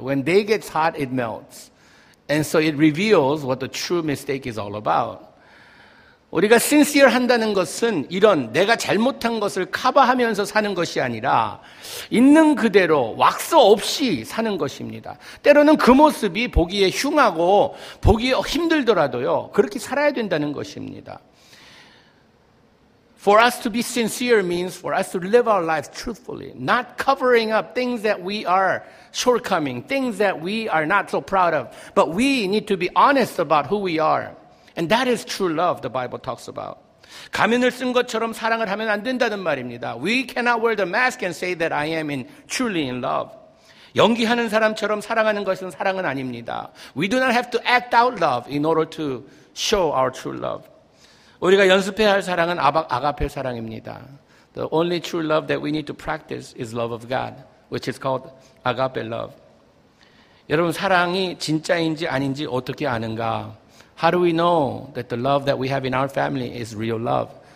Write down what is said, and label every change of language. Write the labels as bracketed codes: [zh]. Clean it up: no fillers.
[en] When they get hot, it melts. And so it reveals what the true mistake is all about. [ko] 우리가 sincere 한다는 것은 이런 내가 잘못한 것을 커버하면서 사는 것이 아니라 있는 그대로 왁스 없이 사는 것입니다. 때로는 그 모습이 보기에 흉하고 보기에 힘들더라도요, 그렇게 살아야 된다는 것입니다. [en] For us to be sincere means for us to live our lives truthfully, not covering up things that we are shortcoming, things that we are not so proud of. But we need to be honest about who we are. And that is true love, the Bible talks about. [ko] 가면을 쓴 것처럼 사랑을 하면 안 된다는 말입니다. [en] We cannot wear the mask and say that I am truly in love. [ko] 연기하는 사람처럼 사랑하는 것은 사랑은 아닙니다. [en] We do not have to act out love in order to show our true love. [ko] 우리가 연습해야 할 사랑은 아가페 사랑입니다. [en] The only true love that we need to practice is love of God, which is called agape love. [ko] 여러분, 사랑이 진짜인지 아닌지 어떻게 아는가? [en] How do we know that the love that we have in our family is real love?